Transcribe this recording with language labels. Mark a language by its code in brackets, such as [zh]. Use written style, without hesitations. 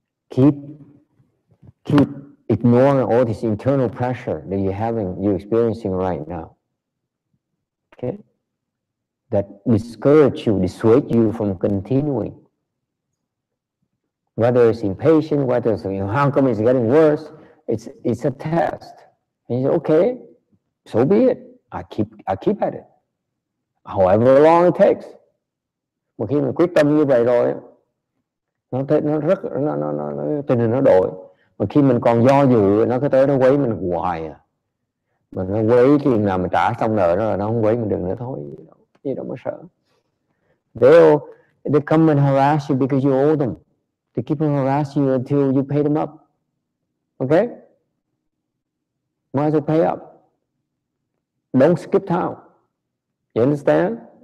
[en] Keep ignoring all this internal pressure that you're experiencing right now. Okay? That discourage you, dissuade you from continuing. Whether it's impatient, whether it's how come it's getting worse, it's a test. And you say, okay, so be it. I keep at it. However long it takes. [vi] Mà khi mình quyết tâm như vậy rồi, nó đổi. Mà khi mình còn do dự, nó cứ tới nó quấy mình hoài à. Mà nó quấy khi nào mình trả xong nợ nó là nó không quấy mình được nữa thôi. Gì đâu mà sợ. [en] They come and harass you because you owe them. They keep on harassing you until you pay them up. Okay? Might as well pay up. Don't skip town. You understand?